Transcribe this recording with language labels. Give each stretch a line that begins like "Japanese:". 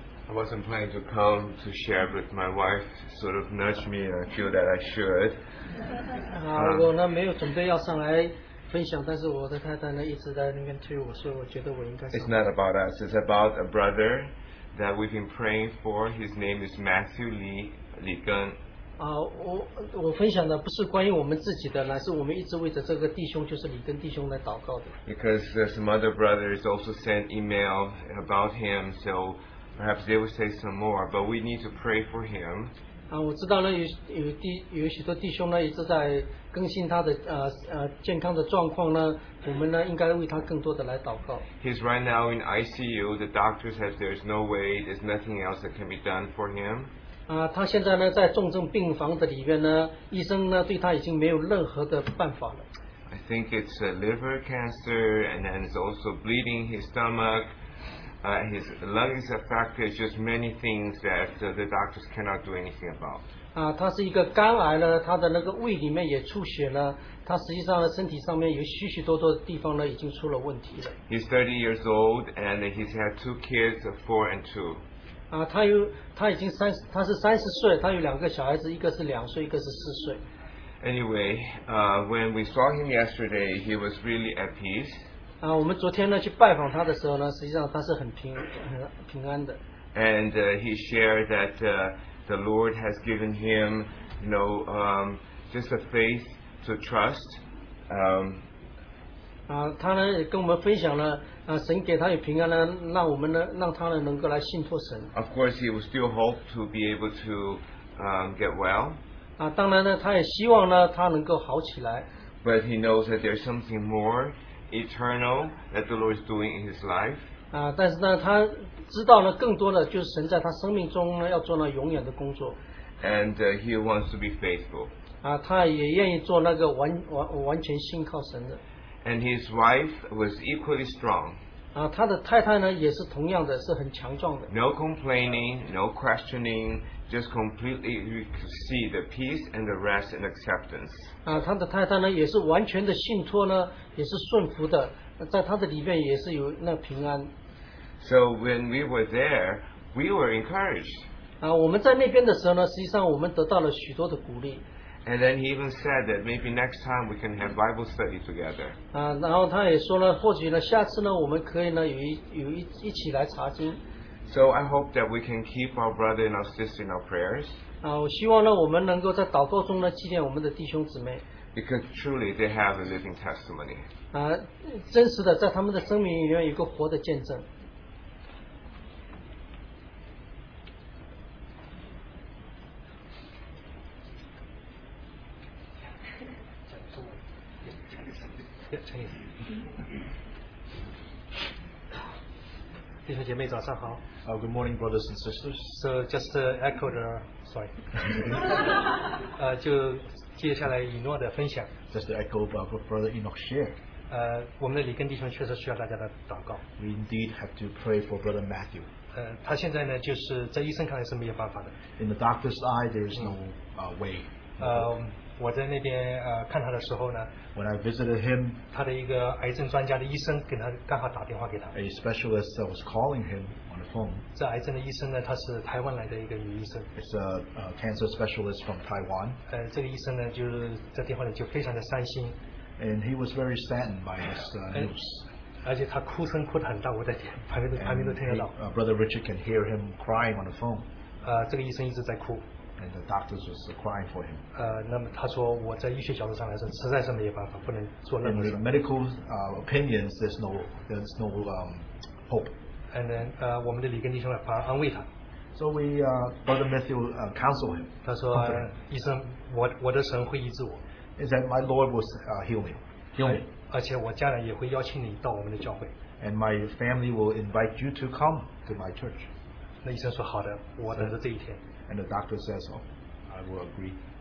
English: I wasn't planning to come to share, but my wife sort of nudged me and I feel that I should.
Chinese: 我呢没有准备要上来分享，但是我的太太呢一直在那边推我，所以我觉得我应该。
English: It's not about us. It's about a brother that we've been praying for. His name is Matthew Lee Li Gun.
Chinese: 我分享的不是关于我们自己的，乃是我们一直为着这个弟兄，就是李根弟兄来祷告的。
English: Because some other brothers also sent email about him, so. Perhaps they will say some more, but we need to pray for him.
Chinese: 我知道呢，有许多弟兄呢一直在更新他的健康的状况呢，我们呢应该为他更多的来祷告。
English: He's right now in ICU. The doctor says there's no way, there's nothing else that can be done for him.
Chinese: 他现在呢在重症病房的里面呢，医生呢对他已经没有任何的办法了。
English: I think it's a liver cancer, and then it's also bleeding his stomach. His lung is affected, just many things that the doctors cannot do anything about.
Chinese: 他是一个肝癌了，他的那个胃里面也出血了，他实际上身体上面有许许多多的地方呢已经出了问题了。
English: He's 30 years old and he's had two kids, 4 and 2.
Chinese: 他是30岁，他有两个小孩子，一个是两岁，一个是四岁。
English: Anyway, when we saw him yesterday, he was really at peace.
Chinese: 我们昨天呢去拜访他的时候呢，实际上他是很平安的。
English: And he shared that the Lord has given him, you know, just a faith to trust.
Chinese: 他呢也跟我们分享了，神给他有平安呢，让我们呢让他呢能够来信托神。
English: Of course, he will still hope to be able to get well.
Chinese: 当然呢，他也希望呢他能够好起来。
English: But he knows that there's something more. Eternal that the Lord is doing in his life.
Chinese: 但是呢，他知道了更多的就是神在他生命中呢要做那永远的工作。
English: And he wants to be faithful.
Chinese: 他也愿意做那个完全信靠神的。
English: And his wife was equally strong.
Chinese: 他的太太呢也是同样的，是很强壮的。
English: No complaining, no questioning, just completely you could see the peace and the rest and acceptance.
Chinese: 他的太太呢也是完全的信托呢。也是顺服的，在他的里面也是有那平安。
English: So when we were there, we were encouraged.
Chinese: 我们在那边的时候呢，实际上我们得到了许多的鼓励。
English: And then he even said that maybe next time we can have Bible study together.
Chinese: 然后他也说呢，或许呢，下次呢，我们可以呢，有一起来查经。
English: So I hope that we can keep our brother and our sister in our prayers.
Chinese: 我希望呢，我们能够在祷告中呢，纪念我们的弟兄姊妹。
English: Because truly they have a living testimony.
Chinese: 真实的，在他们的生命里面有一个活的见证。弟兄姐妹早上好。
English: Oh, good morning, brothers and sisters. So just echo the, sorry.
Chinese: 就接下来以诺的分享。
English: Just to echo about what Brother Enoch shared.
Chinese: 我们的李根弟兄确实需要大家的祷告。
English: We indeed have to pray for Brother Matthew.
Chinese: 他现在呢，就是在医生看来是没有办法的。
English: In the doctor's eye, there is no way.
Chinese: 我在那边看他的时候呢。
English: When I visited him,
Chinese: 他的一个癌症专家的医生跟他刚好打电话给他。
English: A specialist that was calling him.
Chinese: 这癌症的医生呢，他是台湾来的一个女医生。
English: It's a cancer specialist from Taiwan.
Chinese: 这个医生呢，就是在电话里就非常的伤心。
English: And he was very saddened by this news.
Chinese: 而且他哭声哭得很大，我在旁边都听得到。
English: Brother Richard can hear him crying on the phone.
Chinese: 这个医生一直在哭。
English: And the doctors was crying for him.
Chinese: 那么他说，我在医学角度上来说，实在是没有办法，不能做任何。
English: In the medical opinions, there's no hope. And then,
Chinese: 我们的李根弟兄来安慰他。
English: So we, Brother Matthew, counseled him.
Chinese: 他说，医生，我的神会医治我。
English: He said, my Lord will heal me. Heal me.
Chinese: 而且我家人也会邀请你到我们的教会。
English: And my family will invite you to come to my church.
Chinese: 那医生说，好的，我等着这一天。
English: And the doctor says, oh, I will agree.